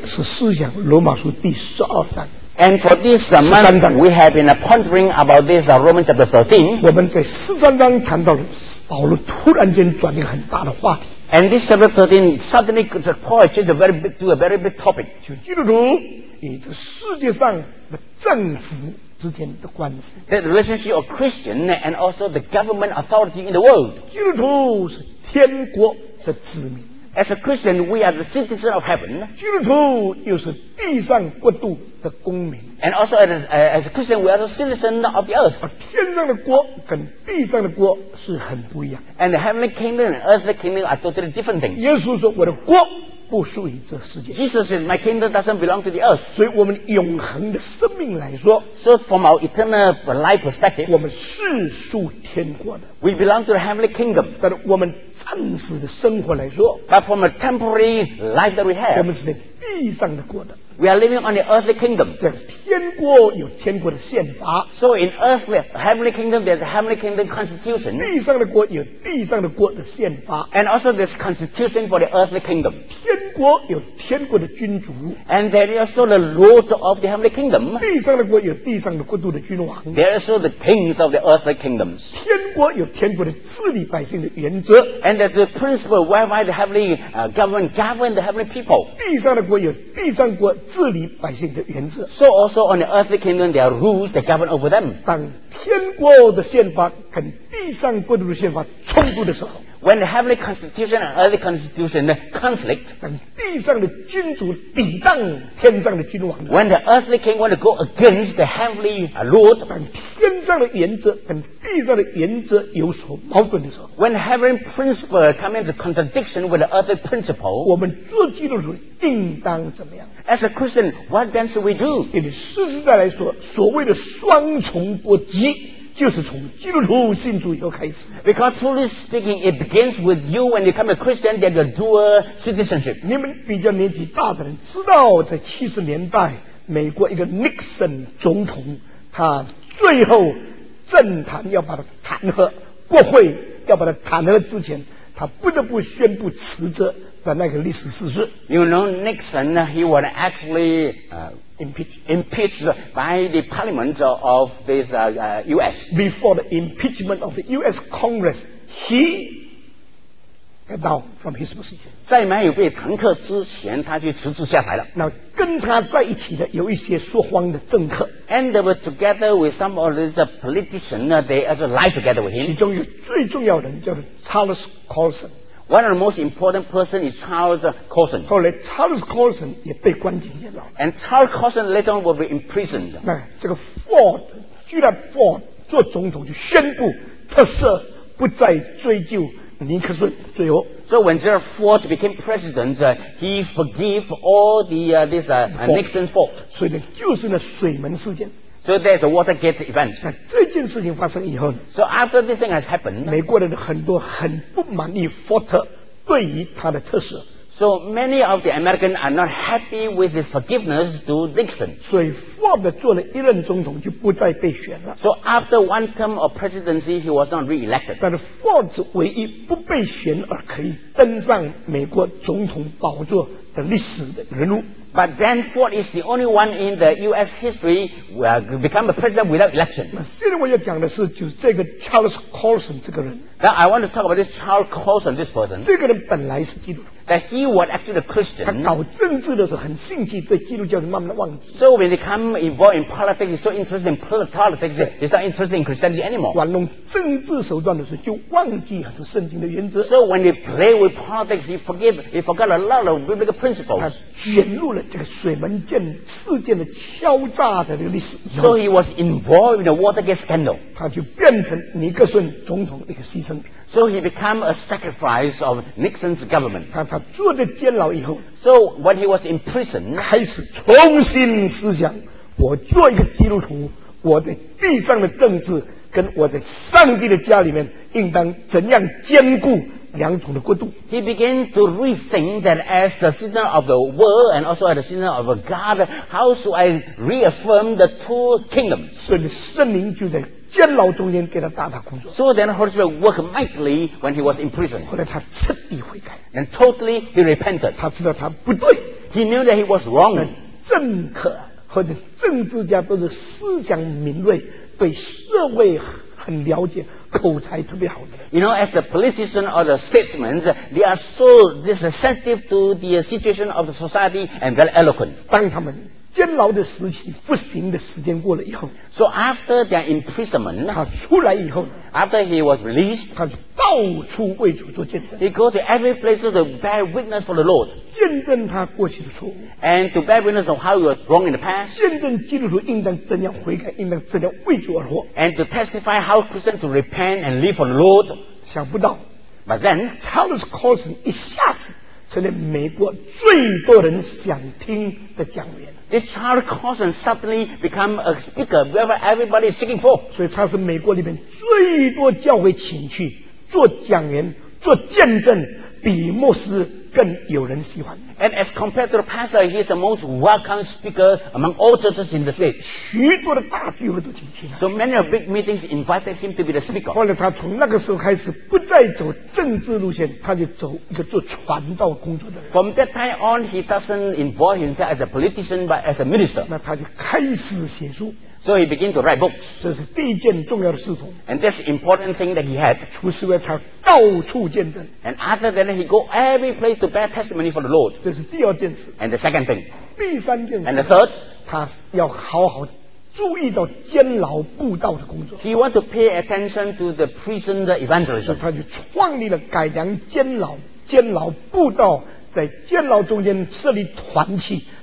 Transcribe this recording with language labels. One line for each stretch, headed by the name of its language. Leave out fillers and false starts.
Chinese: 是思想罗马书第十二章。
English: And for this month, we have been pondering about this Romans chapter 13.
Chinese: 我们在十三章谈到保罗突然间转一个很大的话题。
English: And this chapter 13 suddenly Paul changed a very big topic.
Chinese: 就基督徒与这世界上的政府之间的关系。
English: The relationship of Christian and also the government authority in the world.
Chinese: 基督徒是天国的子民。
English: As a Christian, we are the citizen of heaven.
Chinese: 基督徒又是地上国度的公民。
English: And also as a Christian, we are the citizen of the earth.
Chinese: 天上的国跟地上的国是很不一样。
English: And the heavenly kingdom and earthly kingdom are totally different things.
Chinese: 耶稣说我的国不属于这世界。
English: Jesus said, my kingdom doesn't belong to the earth.
Chinese: 所以我们永恒的生命来说，
English: So from our eternal life perspective,
Chinese: 我们是属天国的。
English: We belong to the heavenly kingdom.
Chinese: 但我们暂时的生活来说，
English: But from a temporary life that we have,
Chinese: 我们是在地上的国的。
English: We are living on the earthly kingdom.
Chinese: 这天国有天国的宪法。
English: So in earthly, heavenly kingdom, there's a heavenly kingdom constitution.
Chinese: 地上的国有地上的国的宪法。
English: And also there's constitution for the earthly kingdom.
Chinese: 天国有天国的君主。
English: And there is also the lords of the heavenly kingdom.
Chinese: 地上的国有地上的国度的君王。
English: There are also the kings of the earthly kingdoms.
Chinese: 天国有天国的治理百姓的原则。
English: And there's a principle whereby the heavenly govern the heavenly people.
Chinese: 地上的国有地上国治理百姓的原则。
English: So also on the earthly kingdom, there are rules that govern over them.
Chinese: 当天国的宪法跟地上国度的宪法冲突的时候，
English: When the heavenly constitution and earthly constitution conflict,
Chinese: 当地上的君主抵挡天上的君王，
English: When the earthly king want to go against the heavenly lord,
Chinese: 当天上的原则跟地上的原则有所矛盾的时候，
English: When heavenly principle come into contradiction with the earthly principle,
Chinese: 我们做基督徒应当怎么样？
English: As a Christian, what then should we do?
Chinese: 因为实实在来说，所谓的双重国籍，就是从基督徒信主以后开始。
English: Because truly speaking, it begins with you when you become a Christian, that you do a citizenship.
Chinese: 你们比较年纪大的人知道，在70年代，美国一个 Nixon 总统，他最后政坛要把他弹劾，国会要把他弹劾之前，他不得不宣布辞职。的那个历史事实。
English: You know, Nixon, he was actually impeached by the parliament of this U.S. Before the impeachment of the U.S. Congress, he got down from his position.
Chinese: 在没有被弹劾之前，他就辞职下台了。那跟他在一起的有一些说谎的政客。
English: And they were together with some of these politicians, they also lied together with him.
Chinese: 其中有最重要的人叫做 Charles Colson。
English: One of the most important person is Charles Colson.
Chinese: 后来 Charles Colson 也被关进监牢。
English: And Charles Colson later on will be imprisoned.
Chinese: 那这个 Ford, 居然 Ford 做总统就宣布特赦，不再追究尼克逊罪恶。
English: So when Gerald Ford became president, he forgave all the Nixon fault.
Chinese: 所以就是那水门事件。
English: So there's a Watergate event.
Chinese: 那这件事情发生以后呢，
English: So after this thing has happened,
Chinese: 美国人很多很不满意福特对于他的特赦。
English: So many of the Americans are not happy with his forgiveness to Nixon.
Chinese: 所以福特做了一任总统就不再被选了。
English: So after one term of presidency, he was not re-elected.
Chinese: 但是福特唯一不被选而可以登上美国总统宝座的历史的人物。
English: But then Ford is the only one in the U.S. history who become a president without election.
Chinese: 现在我要讲的是，就是这个 Charles Colson 这个人。
English: Now I want to talk about this Charles Colson, this person.
Chinese: 这个人本来是基督徒。
English: That he was actually a Christian.
Chinese: 他搞政治的时候很兴趣，对基督教就慢慢的忘记。
English: So when he come involved in politics, he's so interested in politics, he's not interested in Christianity anymore.
Chinese: 玩弄政治手段的时候，就忘记很多圣经的原则。
English: So when he play with politics, he forgot a lot of biblical principles.
Chinese: 他卷入了这个水门舰事件的敲诈的这个历史。
English: So he was involved in the Watergate scandal.
Chinese: 他就变成尼克逊总统的一个牺牲。
English: So he became a sacrifice of Nixon's government.
Chinese: 他坐在监牢以后，
English: So when he was in prison,
Chinese: 开始重新思想，我做一个基督徒，我在地上的政治跟我在上帝的家里面应当怎样兼顾两种的国度。
English: He began to rethink that as a citizen of the world and also as a citizen of a God, how should I reaffirm the two kingdoms?
Chinese: 所以圣灵就在监牢中间给他大大工作。
English: So then Holy Spirit worked mightily when he was in prison.
Chinese: 后来他彻底悔改。
English: And totally he repented.
Chinese: 他知道他不对。
English: He knew that he was wrong.
Chinese: 政客或者政治家都是思想敏锐，对社会很了解，口才特别好的。
English: You know, as a politician or a statesman, they are so sensitive to the situation of the society and very eloquent.
Chinese: 当他们监牢的时期，不行的时间过了以后
English: ，So after their imprisonment,
Chinese: 他出来以后
English: ，After he was released,
Chinese: 他就到处为主做见证。
English: He go to every place to bear witness for the Lord,
Chinese: 见证他过去的错误
English: ，And to bear witness of how he was wrong in the past,
Chinese: 见证基督徒应当怎样悔改，应当怎样为主而活
English: ，And to testify how Christians should repent and live for the Lord。
Chinese: 想不到
English: ，But then
Chinese: Charles Colson 一下子成了美国最多人想听的讲员。
English: This Charles Colson suddenly became a speaker wherever everybody is seeking for.
Chinese: 所以他是美国里面最多教会请去做讲员、做见证，比牧师更有人喜欢。
English: And as compared to the pastor, he is the most welcome speaker among all churches in the city.
Chinese: 许多的大聚会都请去了。
English: So many of big meetings invited him to be the speaker.
Chinese: 后来他从那个时候开始不再走政治路线，他就走一个做传道工作的人。
English: From that time on, he doesn't involve himself as a politician, but as a minister.
Chinese: 那他就开始写书。
English: So he began to write books.
Chinese: 这是第一件重要的事情。
English: And that's the important thing that he had.
Chinese: 除此之外，他到处见证。
English: And other than that, he go every place to bear testimony for the Lord.
Chinese: 这是第二件事。
English: And the second thing.
Chinese: 第三件事。
English: And the third.
Chinese: 他要好好注意到监牢布道的工作。
English: He want to pay attention to the prison evangelism.
Chinese: 所以他就创立了改良监牢、监牢布道，在监牢中间设立团契。